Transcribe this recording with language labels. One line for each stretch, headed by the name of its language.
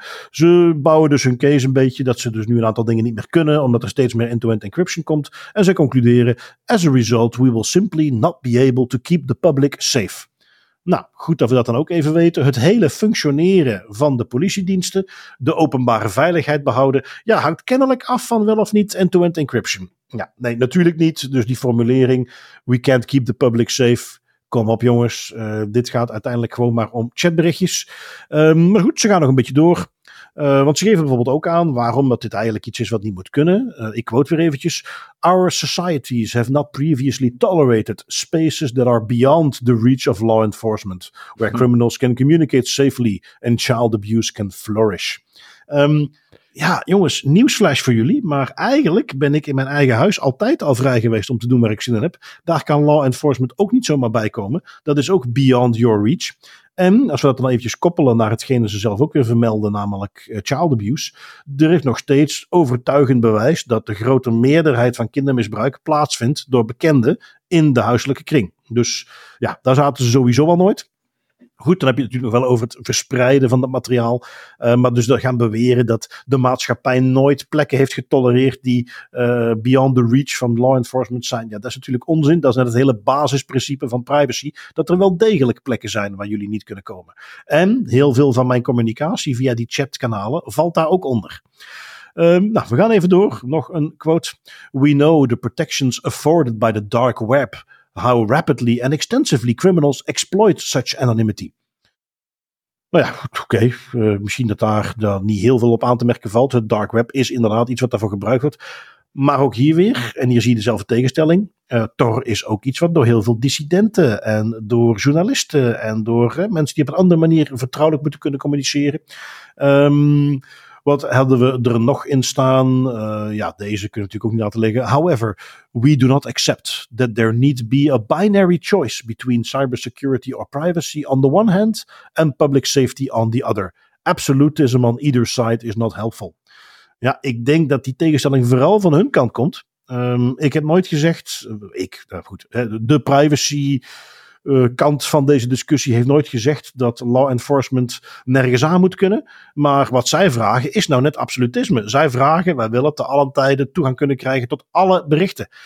Dutch: Ze bouwen dus hun case een beetje dat ze dus nu een aantal dingen niet meer kunnen omdat er steeds meer end-to-end encryption komt en ze concluderen
English: as a result we will simply not be able to keep the public safe.
Dutch: Nou, goed dat we dat dan ook even weten. Het hele functioneren van de politiediensten, de openbare veiligheid behouden, ja, hangt kennelijk af van wel of niet end-to-end encryption. Ja, nee, natuurlijk niet. Dus die formulering
English: we can't keep the public safe.
Dutch: Kom op jongens, dit gaat uiteindelijk gewoon maar om chatberichtjes. Maar goed, ze gaan nog een beetje door. Want ze geven bijvoorbeeld ook aan waarom dat dit eigenlijk iets is wat niet moet kunnen. Ik quote weer eventjes.
English: Our societies have not previously tolerated spaces that are beyond the reach of law enforcement. Where criminals can communicate safely and child abuse can flourish.
Dutch: Ja, jongens, nieuwsflash voor jullie, maar eigenlijk ben ik in mijn eigen huis altijd al vrij geweest om te doen waar ik zin in heb. Daar kan law enforcement ook niet zomaar bij komen. Dat is ook
English: beyond your reach.
Dutch: En als we dat dan eventjes koppelen naar hetgene ze zelf ook weer vermelden, namelijk child abuse, er is nog steeds overtuigend bewijs dat de grote meerderheid van kindermisbruik plaatsvindt door bekenden in de huiselijke kring. Dus ja, daar zaten ze sowieso al nooit. Goed, dan heb je het natuurlijk nog wel over het verspreiden van dat materiaal. Maar dus dat gaan beweren dat de maatschappij nooit plekken heeft getolereerd die
English: beyond the reach
Dutch: van law enforcement zijn. Ja, dat is natuurlijk onzin. Dat is net het hele basisprincipe van privacy. Dat er wel degelijk plekken zijn waar jullie niet kunnen komen. En heel veel van mijn communicatie via die chatkanalen valt daar ook onder. We gaan even door. Nog een quote.
English: We know the protections afforded by the dark web. How rapidly and extensively criminals exploit such anonymity.
Dutch: Nou ja, oké, misschien dat daar dan niet heel veel op aan te merken valt. Het dark web is inderdaad iets wat daarvoor gebruikt wordt. Maar ook hier weer, en hier zie je dezelfde tegenstelling. Tor is ook iets wat door heel veel dissidenten en door journalisten en door mensen die op een andere manier vertrouwelijk moeten kunnen communiceren. Wat hadden we er nog in staan? Deze kunnen we natuurlijk ook niet laten liggen.
English: However, we do not accept that there need be a binary choice between cybersecurity or privacy on the one hand and public safety on the other. Absolutism on either side is not helpful.
Dutch: Ja, ik denk dat die tegenstelling vooral van hun kant komt. Ik heb nooit gezegd, de privacy kant van deze discussie heeft nooit gezegd dat law enforcement nergens aan moet kunnen. Maar wat zij vragen is nou net absolutisme. Zij vragen, wij willen te allen tijden toegang kunnen krijgen tot alle berichten.